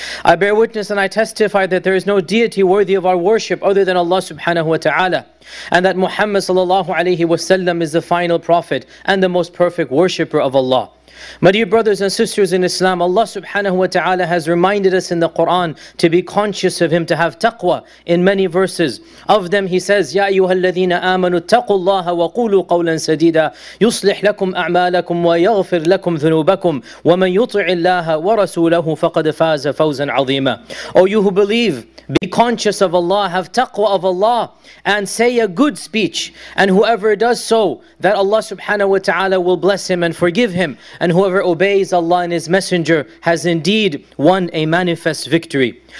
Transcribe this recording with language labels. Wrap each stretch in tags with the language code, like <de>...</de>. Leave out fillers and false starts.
<en>I bear witness and I testify that there is no deity worthy of our worship other than Allah subhanahu wa ta'ala. And that Muhammad sallallahu alayhi wa sallam is the final prophet and the most perfect worshipper of Allah. My dear brothers and sisters in Islam, Allah subhanahu wa ta'ala has reminded us in the Quran to be conscious of Him, to have taqwa in many verses. Of them He says,</en> <ar>يَا أَيُّهَا الَّذِينَ آمَنُوا اتَّقُوا اللَّهَ وَقُولُوا قَوْلًا سَدِيدًا يُصْلِحْ لَكُمْ أَعْمَالَكُمْ وَيَغْفِرْ لَكُمْ ذُنُوبَكُمْ وَمَنْ يُطِعِ اللَّهَ وَرَسُولَهُ فَقَدْ فَازَ فَوْزًا عَظِيمًا.</ar> <en>O you who believe, be conscious of Allah, have taqwa of Allah, and say a good speech. And whoever does so, that Allah subhanahu wa ta'ala will bless him and forgive him. And whoever obeys Allah and His Messenger has indeed won a manifest victory.</en>